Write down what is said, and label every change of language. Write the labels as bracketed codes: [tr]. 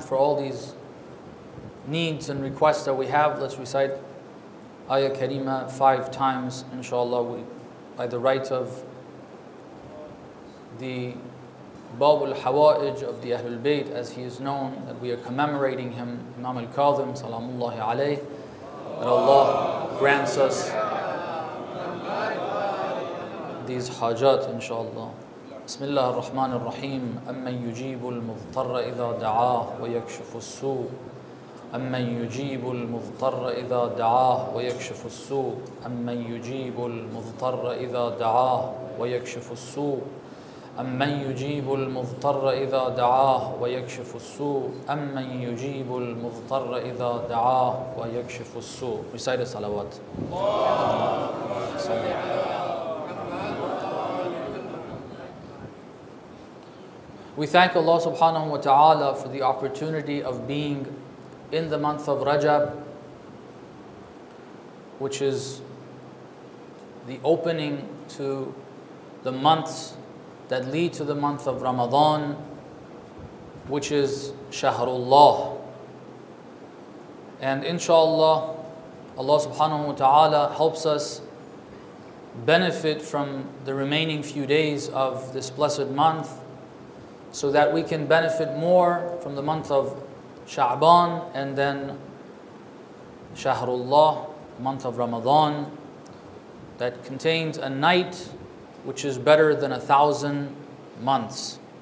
[en] For all these needs and requests that we have, let's recite Ayah Karima five times, inshallah, by the right of the Bab al-Hawa'ij of the Ahlul Bayt, as he is known, that we are commemorating him, Imam al-Kadhim, salamullahi alayh, that Allah grants us these hajat, inshallah. [ar] بسم الله الرحمن الرحيم أمن يجيب المضطر إذا دعاه ويكشف السوء أمن يجيب المضطر إذا دعاه ويكشف السوء أمن يجيب المضطر إذا دعاه ويكشف السوء أمن يجيب المضطر إذا دعاه ويكشف السوء أمن يجيب المضطر إذا دعاه ويكشف السوء رسالة صلوات [en] We thank Allah subhanahu wa ta'ala for the opportunity of being in the month of Rajab, which is the opening to the months that lead to the month of Ramadan, which is Shahrullah. And inshallah, Allah subhanahu wa ta'ala helps us benefit from the remaining few days of this blessed month, so that we can benefit more from the month of Sha'ban and then Shahrullah, month of Ramadan, that contains a night which is better than 1,000 months.